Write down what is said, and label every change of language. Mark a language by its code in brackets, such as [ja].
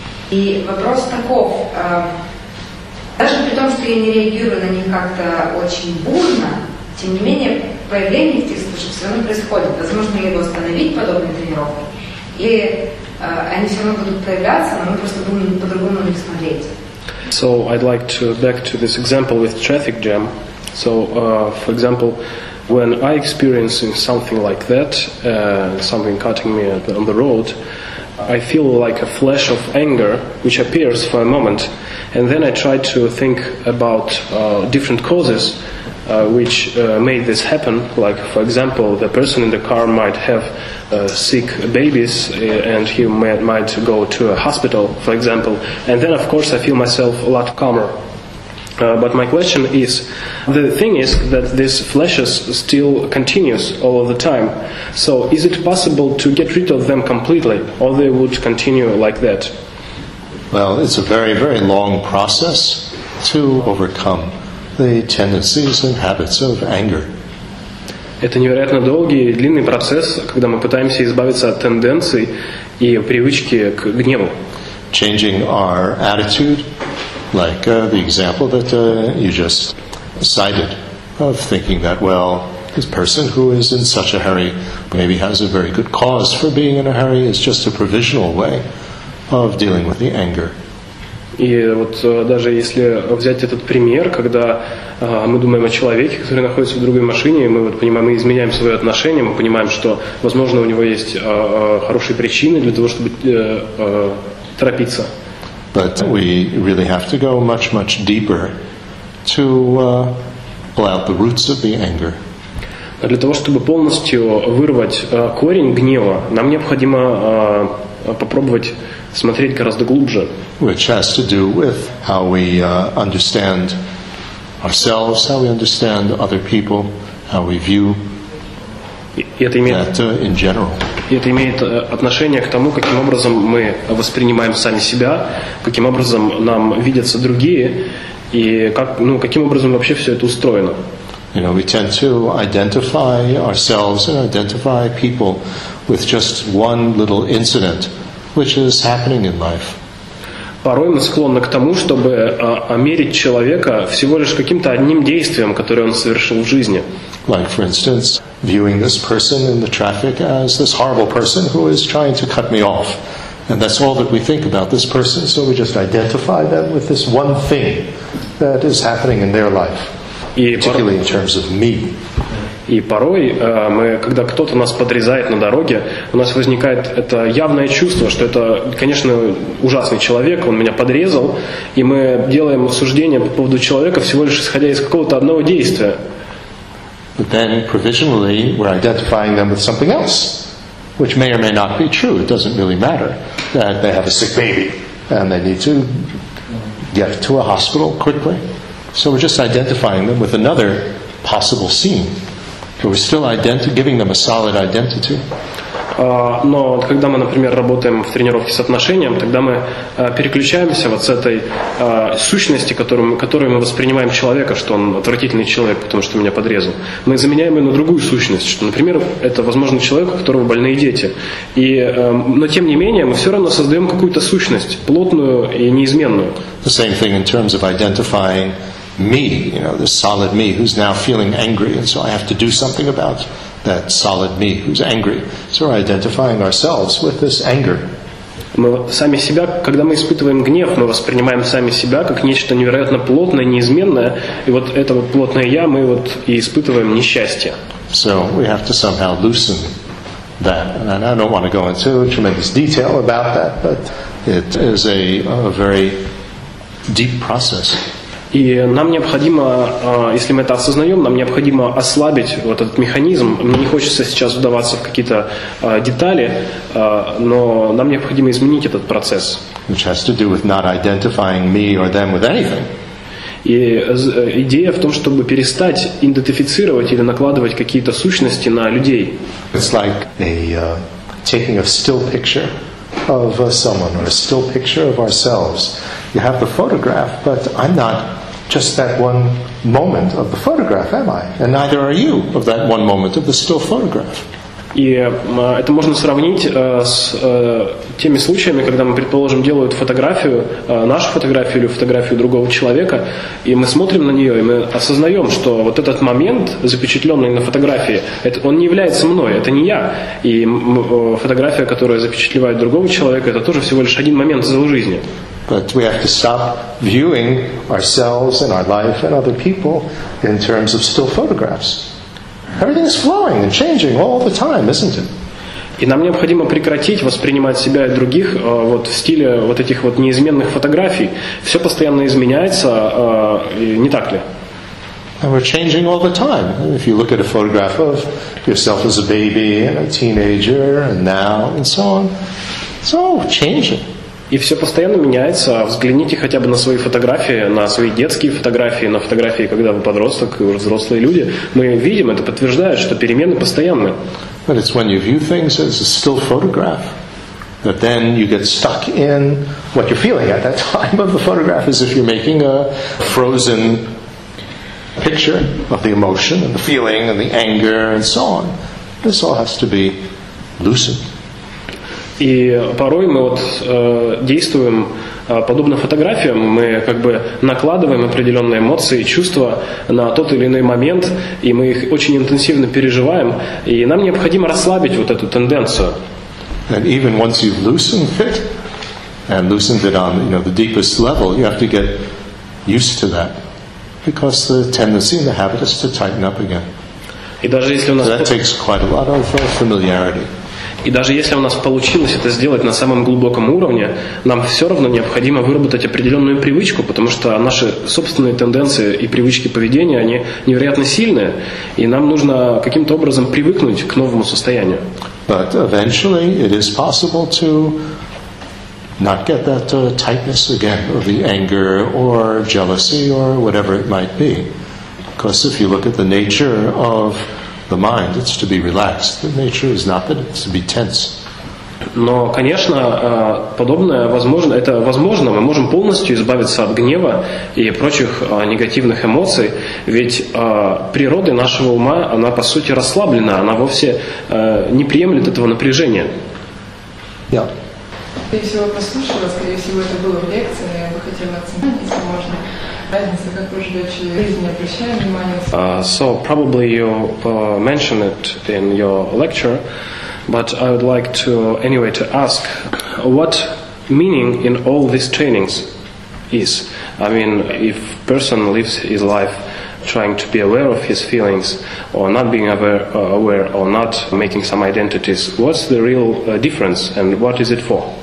[ru] И вопрос таков, даже при том, что я не реагирую на них как-то очень бурно, тем не менее появление этих вспышек все равно происходит. Возможно, его остановить подобной тренировкой, и они все равно будут появляться, но мы просто будем по-другому на них смотреть. [en] So I'd like to back to this example with traffic jam. So, for example, when I experience something like that, something cutting me on the road, I feel like a flash of anger which appears for a moment, and then I try to think about different causes which made this happen, like, for example, the person in the car might have sick babies and he might go to a hospital, for example, and then of course I feel myself a lot calmer. But my question is, the thing is that this flashes still continues all of the time. So is it possible to get rid of them completely, or they would continue like that? Well, it's a very, very long process to overcome the tendencies and habits of anger. [ru] Это невероятно долгий и длинный процесс, когда мы пытаемся избавиться от тенденций и привычки к гневу. [en] Changing our attitude. Like the example that you just cited of thinking that, well, this person who is in such a hurry maybe has a very good cause for being in a hurry, is just a provisional way of dealing with the anger. [ru] И вот даже если взять этот пример, когда мы думаем о человеке, который находится в другой машине, и мы вот понимаем, мы изменяем свое отношение, мы понимаем, что, возможно, у него есть хорошие причины для того, чтобы торопиться. [en] But we really have to go much, much deeper to pull out the roots of the anger. [ru] Для того, чтобы полностью вырвать корень гнева, нам необходимо попробовать смотреть гораздо глубже. [en] Which has to do with how we understand ourselves, how we understand other people, how we view that in general. [ru] И это имеет отношение к тому, каким образом мы воспринимаем сами себя, каким образом нам видятся другие, и как, ну, каким образом вообще все это устроено. [en] You know, we tend to identify ourselves and identify people with just one little incident, which is happening in life. [ru] Порой мы склонны к тому, чтобы мерить человека всего лишь каким-то одним действием, которое он совершил в жизни. [en] Like, for instance, viewing this person in the traffic as this horrible person who is trying to cut me off. And that's all that we think about this person, so we just identify them with this one thing that is happening in their life, particularly in terms of me. [ru] И порой, мы, когда кто-то нас подрезает на дороге, у нас возникает это явное чувство, что это, конечно, ужасный человек, он меня подрезал, и мы делаем суждение по поводу человека всего лишь исходя из какого-то одного действия. [en] But then, provisionally, we're identifying them with something else, which may or may not be true. It doesn't really matter that they have a sick baby and they need to get to a hospital quickly. So we're just identifying them with another possible scene. But we're still giving them a solid identity. [ru] Но когда мы, например, работаем в тренировке с отношением, тогда мы переключаемся вот с этой сущности, которую мы воспринимаем человека, что он отвратительный человек, потому что меня подрезал. Мы заменяем ее на другую сущность, что, например, это, возможно, человек, у которого больные дети. Но тем не менее, мы все равно создаем какую-то сущность, плотную и неизменную. [en] The same thing in terms of identifying me, you know, this solid me who's now feeling angry, and so I have to do something about that solid me who's angry. So we're identifying ourselves with this anger. [ru] Мы сами себя, когда мы испытываем гнев, мы воспринимаем сами себя как нечто невероятно плотное, неизменное, и вот это вот плотное я, мы вот и испытываем несчастье. [en] So we have to somehow loosen that. And I don't want to go into tremendous detail about that, but it is a very deep process. [ru] И нам необходимо, если мы это осознаем, нам необходимо ослабить вот этот механизм. Мне не хочется сейчас вдаваться в какие-то детали, но нам необходимо изменить этот процесс. [en] Which has to do with not identifying me or them with anything. [ru] И идея в том, чтобы перестать идентифицировать или накладывать какие-то сущности на людей. [en] It's like taking a still picture of someone or a still picture of ourselves. You have the photograph, but I'm not just that one moment of the photograph, am I? And neither are you of that one moment of the still photograph. [ru] И это можно сравнить с теми случаями, когда мы, предположим, делают фотографию, нашу фотографию или фотографию другого человека, и мы смотрим на нее, и мы осознаем, что вот этот момент, запечатленный на фотографии, он не является мной, это не я. И фотография, которая запечатлевает другого человека, это тоже всего лишь один момент из его жизни. [en] But we have to stop viewing ourselves and our life and other people in terms of still photographs. Everything is flowing and changing all the time, isn't it? [ru] И нам необходимо прекратить воспринимать себя и других вот в стиле вот этих вот неизменных фотографий. Все постоянно изменяется, не так ли? [en] And we're changing all the time. If you look at a photograph of yourself as a baby and a teenager and now and so on, it's all changing. [ru] И все постоянно меняется. Взгляните хотя бы на свои фотографии, на свои детские фотографии, на фотографии, когда вы подросток и уже взрослые люди. Мы видим, это подтверждает, что перемены постоянны. [en] But it's when you view things as a still photograph that then you get stuck in what you're feeling at that time of the photograph, as if you're making a frozen picture of the emotion and the feeling and the anger and so on. This all has to be loosened. [ru] И порой мы вот действуем подобно фотографиям, мы как бы накладываем определенные эмоции и чувства на тот или иной момент, и мы их очень интенсивно переживаем, и нам необходимо расслабить вот эту тенденцию. [en] And even once you've loosened it, and loosened it on, you know, the deepest level, you have to get used to that, because the tendency and the habit is to tighten up again. [ru] И даже если у нас... [en] So that takes quite a lot of familiarity. [ru] И даже если у нас получилось это сделать на самом глубоком уровне, нам все равно необходимо выработать определенную привычку, потому что наши собственные тенденции и привычки поведения, они невероятно сильные, и нам нужно каким-то образом привыкнуть к новому состоянию. [en] But eventually it is possible to not get that tightness again, or the anger, or jealousy, or whatever it might be. Because if you look at the nature of the mind, it's to be relaxed. The nature is not that it's to be tense. [ru] Но, конечно, подобное возможно, это возможно, мы можем полностью избавиться от гнева и прочих негативных эмоций, ведь природа нашего ума, она по сути расслаблена, она вовсе не приемлет этого напряжения. [en] Yeah. [ru] Скорее всего, послушала, скорее всего, это было в лекции, но я бы хотела оценить, если можно. [en] So probably you mentioned it in your lecture, but I would like to anyway to ask what meaning in all these trainings is. I mean, if person lives his life trying to be aware of his feelings or not being aware or not making some identities, what's the real difference and what is it for?